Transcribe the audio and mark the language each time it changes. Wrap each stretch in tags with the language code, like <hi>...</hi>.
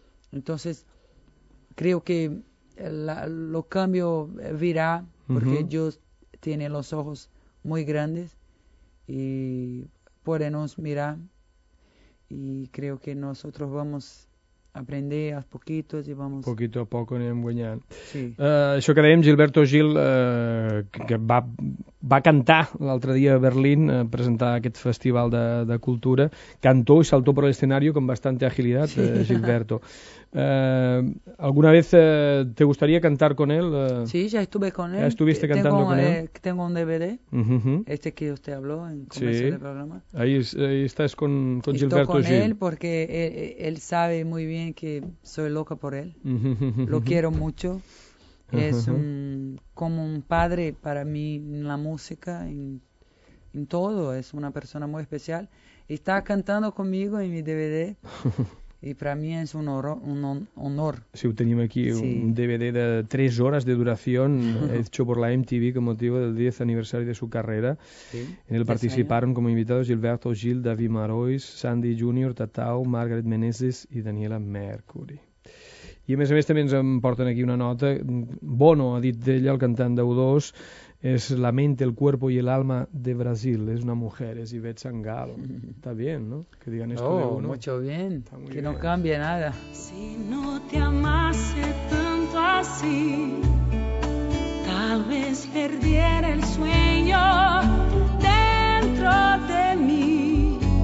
<es>Entonces, creo que lo cambio virá, porque uh-huh. yo tiene los ojos muy grandes y puede nos mirar. Y creo que nosotros vamos a aprender a poquitos y vamos...</es> <ca>Poquito a poco anem guanyant. Sí. Això que dèiem, Gilberto Gil, que va cantar l'altre dia a Berlín, presentar aquest festival de cultura,</ca> <es>cantó i saltó</es> <ca>per l'escenari amb bastante agilitat, sí. Gilberto.</ca> <es>¿Alguna vez te gustaría cantar con él? Sí, ya estuve con él. ¿Ya estuviste cantando con él? Tengo un DVD, uh-huh. Este que usted habló en el comienzo sí. del programa. Ahí estás con Gilberto con Gil. Estoy con él porque él sabe muy bien que soy loca por él. Uh-huh. Lo quiero mucho. Uh-huh. Es como un padre para mí en la música, en todo. Es una persona muy especial. Está cantando conmigo en mi DVD.</es> <ca>I per a mi és un honor. Sí, ho tenim aquí, sí. Un DVD de 3 hores de duració</ca> <es>hecho por la MTV con motivo del 10 aniversari de su carrera. Sí. En el participaron como invitados Gilberto Gil, David Marois, Sandy Junior, Tatau, Margaret Menezes i Daniela Mercury.</es> <ca>I a més també ens en porten aquí una nota. Bono, ha dit d'ella, el cantant de U2, és</ca> <es>la mente, el cuerpo y el alma de Brasil.</es> <ca>És</ca> <es>una mujer,</es> <ca>és Ivette Sangalo.</ca> <es>Está bien, ¿no? Que digan esto de uno. Oh, mucho bien. Que no cambie nada. Si no te amase tanto así, tal vez perdiera el sueño dentro de mí.</es>